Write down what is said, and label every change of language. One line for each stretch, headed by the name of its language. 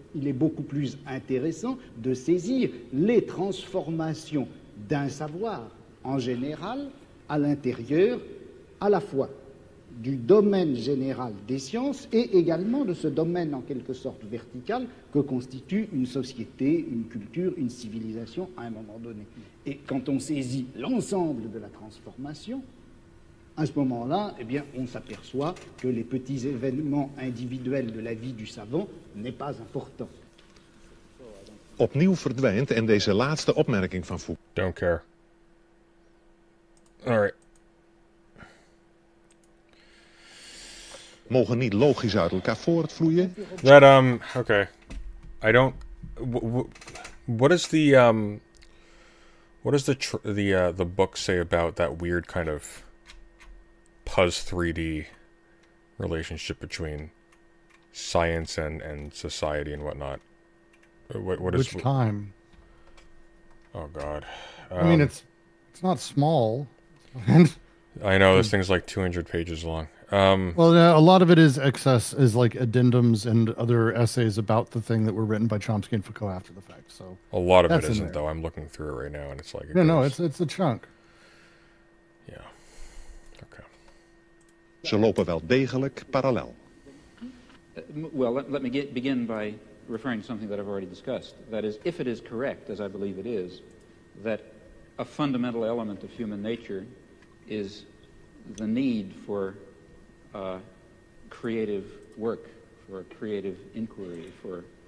French: Il est beaucoup plus intéressant de saisir les transformations d'un savoir en général à l'intérieur à la fois du domaine général des sciences et également de ce domaine en quelque sorte vertical que constitue une société, une culture, une civilisation à un moment donné. Et quand on saisit l'ensemble de la transformation, à ce moment-là, eh bien, on s'aperçoit que les petits événements individuels de la vie du savant n'est pas important.
Dutch: Opnieuw verdwijnt en deze laatste opmerking van Foucault.
English: Don't care. All right.
Dutch: Mogen niet logisch uit elkaar voortvloeien.
English: That okay. I don't. What does the book say about that weird kind of Puzz 3D relationship between science and society and whatnot? Oh God. I mean, it's not small. And I know this thing's like 200 pages long. A lot of it is excess, is like addendums and other essays about the thing that were written by Chomsky and Foucault after the fact. So a lot of it isn't, though. I'm looking through it right now, and it's like it's a chunk. Yeah. Okay.
Dutch: Ze lopen wel degelijk parallel.
English: Well, let me begin by referring to something that I've already discussed. That is, if it is correct, as I believe it is, that a fundamental element of human nature is the need for creative work, for creative inquiry, for